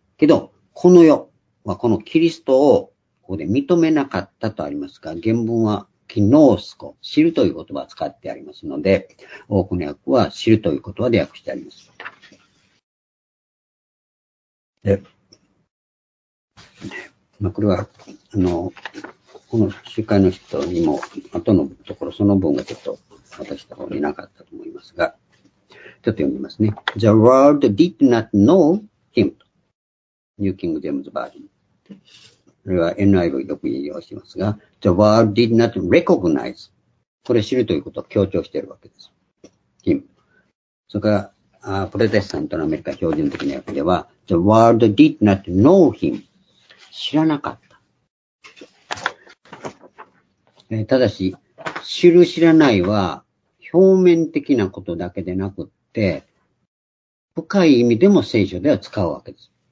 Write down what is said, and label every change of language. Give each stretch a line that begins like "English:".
Japanese: けど、この世はこのキリストをここで認めなかったとありますが、原文はキノースコ、知るという言葉を使ってありますので、多くの訳は知るという言葉で訳してあります。で、まあ、これは、この集会の人にも、後のところ、その文がちょっと私の方になかったと思いますが、ちょっと読みますね。
English: The world did not know him.
Japanese: ニューキング・ジェームズ・バージョン。これは NIV よく引用しますが、
English: The world did not recognize.
Japanese: これ知るということを強調しているわけです。
English: him.
Japanese: それから、プロテスタントのアメリカ標準的な訳では、
English: The world did not know him.
Japanese: 知らなかった。ただし、知る知らないは、表面的なことだけでなくって、深い意味でも聖書では使うわけです。